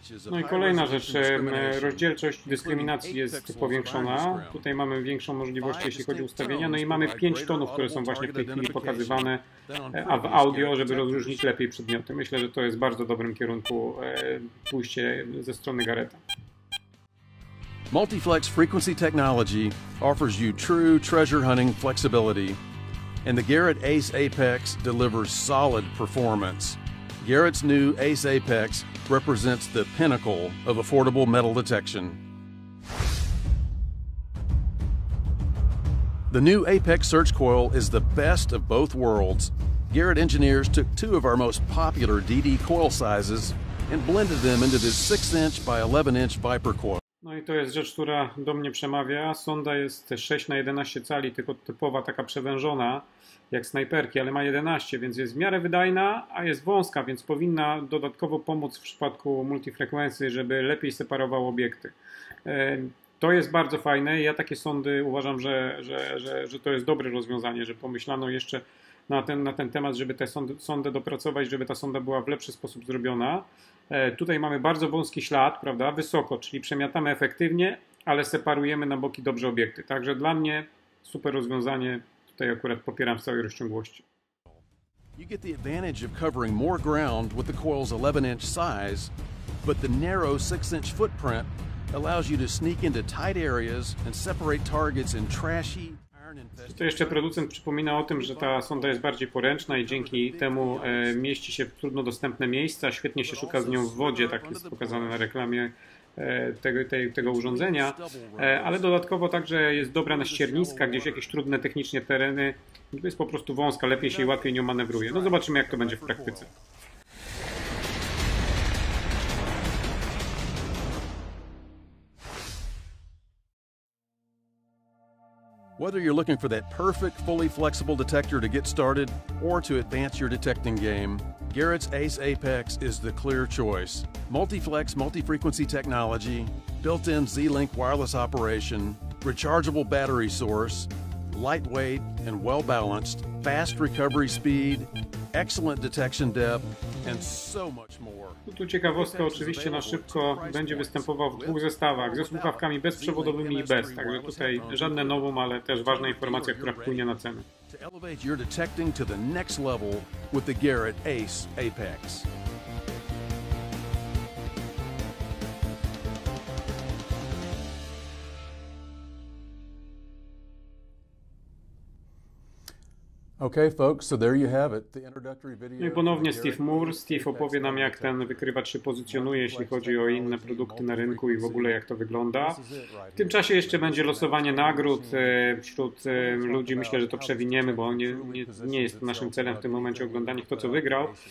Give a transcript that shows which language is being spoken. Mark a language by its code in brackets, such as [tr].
[pl] No i kolejna rzecz, rozdzielczość dyskryminacji jest powiększona. Tutaj mamy większą możliwość, jeśli chodzi o ustawienia. No i mamy 5 tonów, które są właśnie w tej chwili pokazywane w audio, żeby rozróżnić lepiej przedmioty. Myślę, że to jest w bardzo dobrym kierunku pójście ze strony Garretta. [en] Multiflex Frequency Technology offers you true treasure hunting flexibility, and the Garrett Ace Apex delivers solid performance. Garrett's new Ace Apex represents the pinnacle of affordable metal detection. The new Apex Search Coil is the best of both worlds. Garrett engineers took two of our most popular DD coil sizes and blended them into this 6-inch by 11-inch Viper coil. [pl] No i to jest rzecz, która do mnie przemawia. Sonda jest 6 na 11 cali, tylko typowa, taka przewężona, jak snajperki, ale ma 11, więc jest w miarę wydajna, a jest wąska, więc powinna dodatkowo pomóc w przypadku multifrekwencji, żeby lepiej separował obiekty. To jest bardzo fajne. Ja takie sondy uważam, że to jest dobre rozwiązanie, że pomyślano jeszcze na ten temat, żeby tę sondę dopracować, żeby ta sonda była w lepszy sposób zrobiona. Tutaj mamy bardzo wąski ślad, prawda, wysoko, czyli przemiatamy efektywnie, ale separujemy na boki dobrze obiekty. Także dla mnie super rozwiązanie, tutaj akurat popieram w całej rozciągłości. [en] You get the advantage of covering more ground with the coil's 11-inch size, but the narrow 6-inch footprint allows you to sneak into tight areas and separate targets in trashy. [pl] To jeszcze producent przypomina o tym, że ta sonda jest bardziej poręczna i dzięki temu mieści się w trudno dostępne miejsca, świetnie się szuka z nią w wodzie, tak jest pokazane na reklamie tego urządzenia, ale dodatkowo także jest dobra na ścierniska, gdzieś jakieś trudne technicznie tereny, jest po prostu wąska, lepiej się i łatwiej nią manewruje. No zobaczymy, jak to będzie w praktyce. [en] Whether you're looking for that perfect, fully flexible detector to get started or to advance your detecting game, Garrett's Ace Apex is the clear choice. Multiflex multi-frequency technology, built-in Z-Link wireless operation, rechargeable battery source, lightweight and well-balanced, fast recovery speed, excellent detection depth, and so much more. [pl] Tu ciekawostka, oczywiście na szybko będzie występował w dwóch zestawach, ze słuchawkami bezprzewodowymi i bez, także tutaj żadne nowum, ale też ważna informacja, która wpłynie na cenę. [en] To elevate your detecting to the next level with the Garrett Ace Apex. Okay, folks, so there you have it. The introductory video. [pl] No i ponownie Steve Moore. Steve opowie nam, jak ten wykrywacz się pozycjonuje, jeśli chodzi o inne produkty na rynku i w ogóle jak to wygląda. W tym czasie jeszcze będzie losowanie nagród wśród ludzi. Myślę, że to przewiniemy, bo nie jest naszym celem w tym momencie oglądanie, kto co wygrał.